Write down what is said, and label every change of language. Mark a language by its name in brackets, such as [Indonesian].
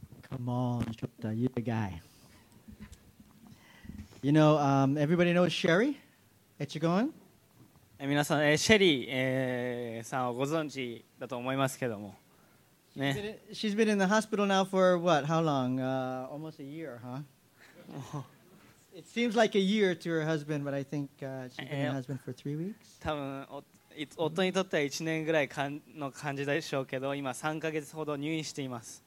[English] Come on, Shota, you're the guy. You know, everybody knows Sherry Echigon? [Japanese] 皆さん、シェリーさんをご存知だと思いますけども。ね。 [English] She's been in the hospital now for what? How long? Almost a year, huh? It seems like a year to her husband, but I think she's been a husband for 3 weeks. [Japanese] 多分、夫にとっては1年ぐらいの感じでしょうけど、今3ヶ月ほど入院しています。